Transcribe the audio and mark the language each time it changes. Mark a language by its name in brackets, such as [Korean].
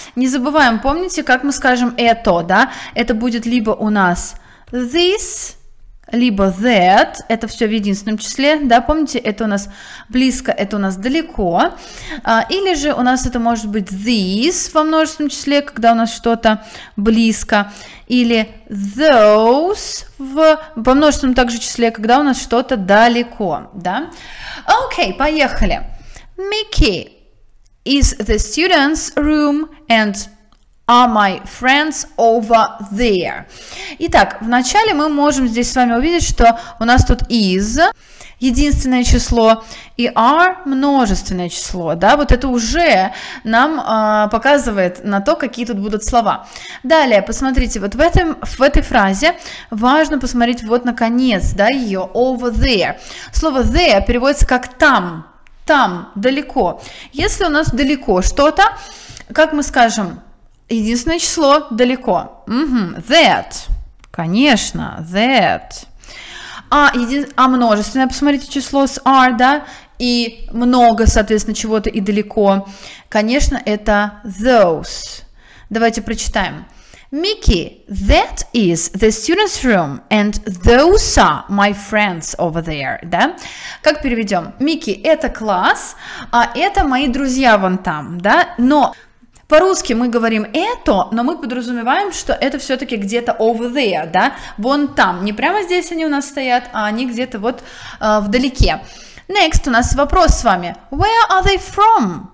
[Russian] Не забываем, помните, как мы скажем это, да, это будет либо у нас this, либо that, это все в единственном числе, да, помните, это у нас близко, это у нас далеко, или же у нас это может быть these во множественном числе, когда у нас что-то близко, или those во множественном также числе, когда у нас что-то далеко, да. Окей, поехали. [English] Mickey, is the student's room and are my friends over there? [Russian] Итак, вначале мы можем здесь с вами увидеть, что у нас тут is единственное число и are множественное число, да, вот это уже нам показывает на то, какие тут будут слова. Далее, посмотрите, вот в этой фразе важно посмотреть вот на конец, да, ее [English] over there. [Russian] Слово there переводится как там, там, далеко. Если у нас далеко что-то, как мы скажем, единственное число далеко. [English] Mm-hmm. That. [Russian] Конечно, [English] that. [Russian] А множественное, посмотрите, число с are, да? И много, соответственно, чего-то и далеко. Конечно, это those. Давайте прочитаем. [English] Mickey, that is the student's room, and those are my friends over there, да? [Russian] Как переведем? Mickey, это класс, а это мои друзья вон там, да? Но... По-русски мы говорим это, но мы подразумеваем, что это все-таки где-то [English] over there, [Russian] да, вон там. Не прямо здесь они у нас стоят, а они где-то вот вдалеке. [English] Next [Russian] у нас вопрос с вами. [English] Where are they from?